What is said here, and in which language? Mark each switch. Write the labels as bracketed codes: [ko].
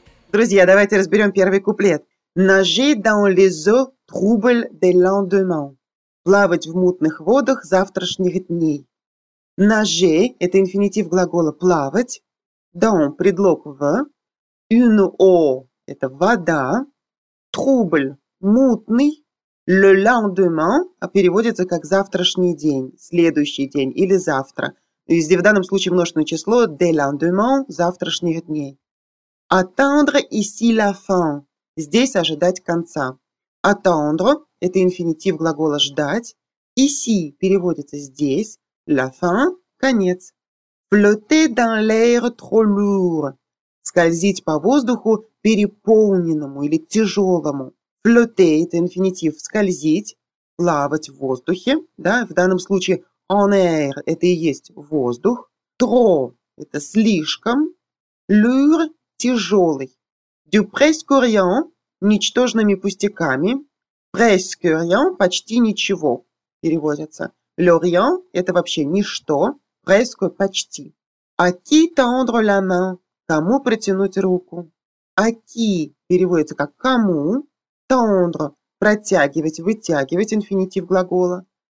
[ru] Друзья, давайте разберем первый куплет. [fr] Nager dans les eaux troubles de lendemain. [ru] Плавать в мутных водах завтрашних дней. Nager – это инфинитив глагола «плавать». Dans – предлог «в». Une eau – это «вода». Trouble – мутный. Le lendemain – переводится как «завтрашний день», «следующий день» или «завтра». В данном случае множественное число [fr] «de lendemain» [ru] – «завтрашних дней». [fr] Attendre – ici la fin. [ru] Здесь ожидать конца. Attendre – это инфинитив глагола «ждать». Ici – переводится «здесь». [fr] La fin – [ru] конец. [fr] Flotter dans l'air trop lourd. [ru] Скользить по воздуху переполненному или тяжелому. Flotter – это инфинитив «скользить», «плавать в воздухе». Да, в данном случае «en air» – это и есть воздух. «Trop» – это «слишком». «Lure» – «тяжелый». [fr] «Du presque rien» – [ru] «ничтожными пустяками». [fr] «Presque rien» [ru] – «почти ничего» переводится. «Le rien» – это вообще «ничто». «Presque» – «почти». [fr] «A qui tendre la main» – [ru] «кому протянуть руку». «A qui» переводится как «кому». «Tendre» – «протягивать», «вытягивать» – инфинитив глагола.